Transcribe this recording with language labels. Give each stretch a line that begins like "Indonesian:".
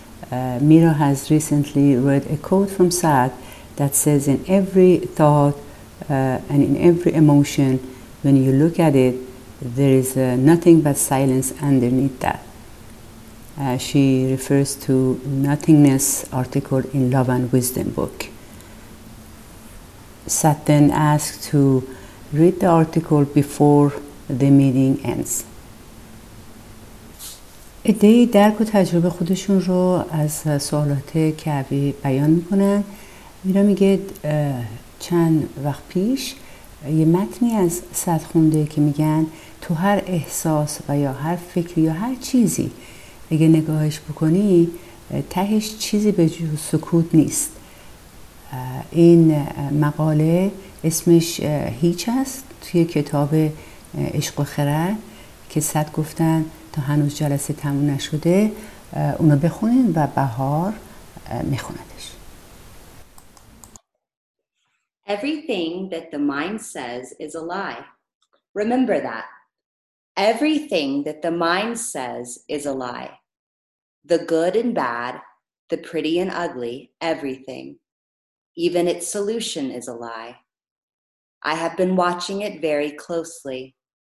English: Mira has recently read a quote from Saad that says, in every thought and in every emotion, when you look at it, there is nothing but silence underneath that. She refers to Nothingness article in Love and Wisdom book. Sat then asked to read the article before the meeting ends.
Persian: ادهی درک و تجربه خودشون رو از سوالات کعبی بیان میکنن. میرا میگه چند وقت پیش یه متنی از صد خونده که میگن تو هر احساس و یا هر فکر یا هر چیزی اگه نگاهش بکنی تهش چیزی به جز سکوت نیست. این مقاله اسمش هیچ هست توی کتاب عشق و خرد که صد گفتن تا هنوز جلسه تموم نشده اونو بخونین و بهار میخوندش.
English: Everything that the mind says is a lie. Remember that. Everything that the mind says is a lie. The good and bad, the pretty and ugly, everything. Even its solution is a lie. I have been watching it very closely.